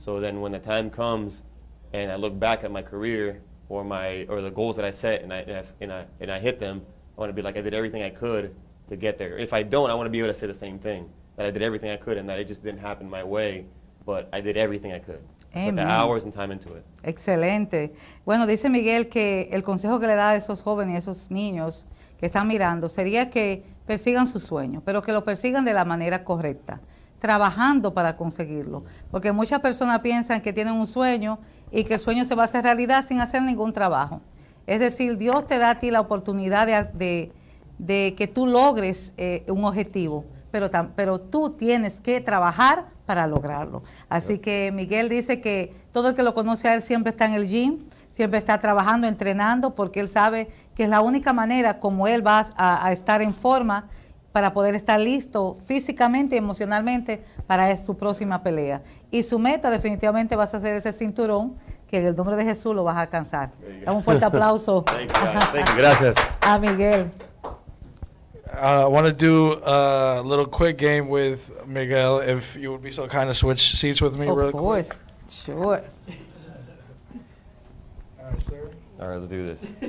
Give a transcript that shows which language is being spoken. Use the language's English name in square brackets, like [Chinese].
[English] So then when the time comes and I look back at my career or the goals that I set and I hit them, I want to be like I did everything I could to get there. If I don't, I want to be able to say the same thing, that I did everything I could and that it just didn't happen my way, but I did everything I could. Amen. Put the hours and time into it. [Spanish] Excelente. Bueno, dice Miguel que el consejo que le da a esos jóvenes, a esos niños que están mirando, sería que persigan su sueño, pero que lo persigan de la manera correcta, trabajando para conseguirlo. Porque muchas personas piensan que tienen un sueño y que el sueño se va a hacer realidad sin hacer ningún trabajo. Es decir, Dios te da a ti la oportunidad de que tú logres un objetivo, pero tú tienes que trabajar para lograrlo. Así que Miguel dice que todo el que lo conoce a él siempre está en el gym, siempre está trabajando, entrenando, porque él sabe que es la única manera como él va a estar en forma para poder estar listo físicamente y emocionalmente para su próxima pelea. Y su meta definitivamente vas a ser ese cinturón, que en el nombre de Jesús lo vas a alcanzar. Dame un fuerte aplauso. [English] Thank you. [Spanish] Gracias. A Miguel. [English] I want to do a little quick game with Miguel, if you would be so kind to switch seats with me real quick. Of course. Sure. All right, sir. All right, let's do this.